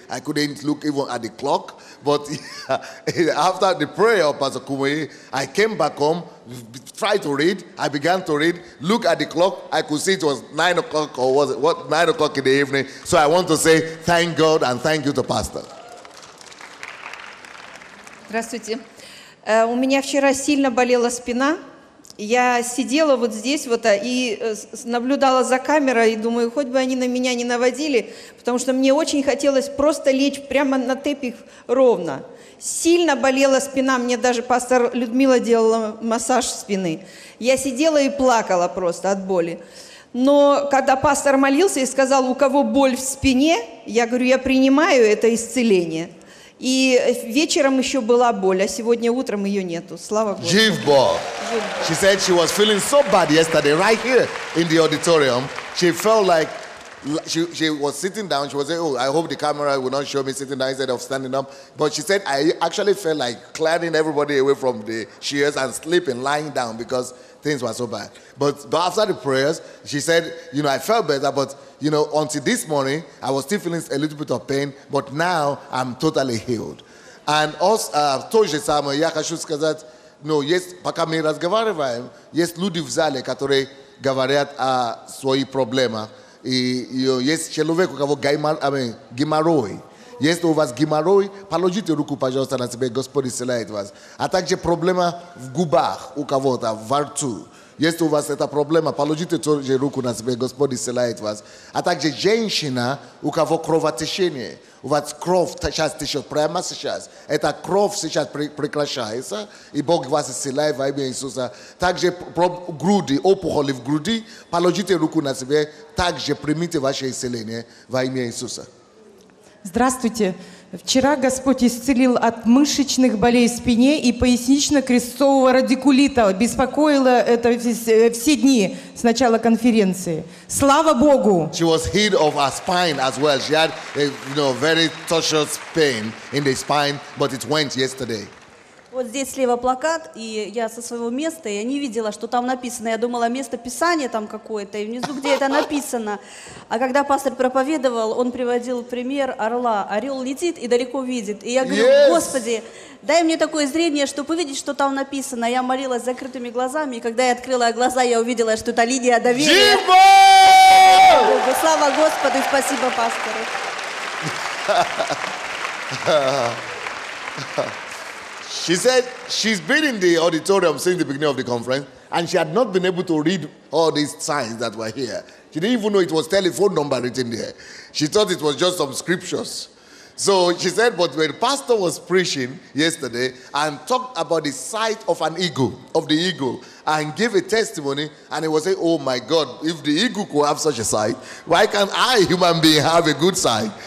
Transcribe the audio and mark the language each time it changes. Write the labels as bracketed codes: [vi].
[en] I couldn't look even at the clock. But after the prayer of Pastor Kumuyi, I came back home, tried to read. I began to read. Look at the clock. I could see it was 9 o'clock or was it what 9 o'clock in the evening. So I want to say thank God and thank you to Pastor. [ru] Здравствуйте. У меня вчера сильно болела спина. Я сидела вот здесь вот и наблюдала за камерой, и думаю, хоть бы они на меня не наводили, потому что мне очень хотелось просто лечь прямо на тепих ровно. Сильно болела спина, мне даже пастор Людмила делала массаж спины. Я сидела и плакала просто от боли. Но когда пастор молился и сказал, у кого боль в спине, я говорю, я принимаю это исцеление. И вечером еще была боль, а сегодня утром ее нету. Слава Богу. [en] Jeff Ball. She said she was feeling so bad yesterday, right here in the auditorium. She felt like she was sitting down. She was saying, "Oh, I hope the camera will not show me sitting down instead of standing up." But she said, "I actually felt like clearing everybody away from the chairs and sleeping, lying down because things were so bad." But after the prayers, she said, "You know, I felt better, but." You know, until this morning, I was still feeling a little bit of pain, but now I'm totally healed. And also, [ru] тоже самое, я хочу сказать, ну, есть, пока мы разговариваем, есть люди в зале, которые говорят о своей проблеме. И есть человек, у кого геморрой. Если у вас геморрой, положите руку, пожалуйста, на себя, Господь исцеляет вас. А также проблема в губах у кого-то, во рту. Если у вас эта проблема, положите тоже руку на себя, Господь исцеляет вас. А также женщина, у кого кровотечение, у вас кровь сейчас течет прямо сейчас. Эта кровь сейчас прекращается, и Бог вас исцеляет во имя Иисуса. Также груди, опухоли в груди, положите руку на себя, также примите ваше исцеление во имя Иисуса. Здравствуйте. Вчера Господь исцелил от мышечных болей в спине и пояснично-крестцового радикулита. Беспокоило это все дни с начала конференции. Слава Богу! [en] She was healed of her spine as well. She had a, you know, very tortuous pain in the spine, but it went yesterday. [ru] Вот здесь слева плакат, и я со своего места, я не видела, что там написано. Я думала, место писания там какое-то, и внизу, где это написано. А когда пастор проповедовал, он приводил пример орла. Орел летит и далеко видит. И я говорю, [en] yes. [ru] Господи, дай мне такое зрение, чтобы увидеть, что там написано. Я молилась с закрытыми глазами, и когда я открыла глаза, я увидела, что это линия доверия. [en] Jeff Ball! [ru] Слава Господу, спасибо пастору. [en] She said she's been in the auditorium since the beginning of the conference, and she had not been able to read all these signs that were here. She didn't even know it was telephone number written there. She thought it was just some scriptures. So she said, but when the pastor was preaching yesterday and talked about the sight of an eagle, of the eagle, and gave a testimony, and he was saying, oh my God, if the eagle could have such a sight, why can't I, human being, have a good sight?